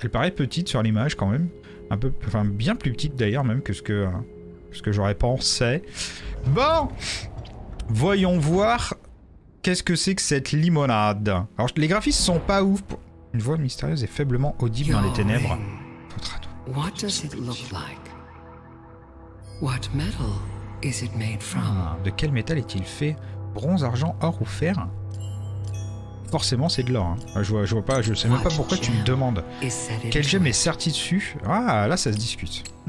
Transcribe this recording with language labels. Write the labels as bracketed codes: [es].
[fr] Elle paraît petite sur l'image, quand même. Un peu, enfin, bien plus petite, d'ailleurs, même, que ce que j'aurais pensé. Bon, voyons voir qu'est-ce que c'est que cette limonade. Alors, les graphismes sont pas ouf. Une voix mystérieuse est faiblement audible dans les ténèbres. [en] What does it look like? What metal is it made from? [fr] De quel métal est-il fait? Bronze, argent, or ou fer? Forcément, c'est de l'or. Hein. Je vois pas, je sais même pas pourquoi tu me demandes. Quel gemme est sorti dessus? Ah, là, ça se discute.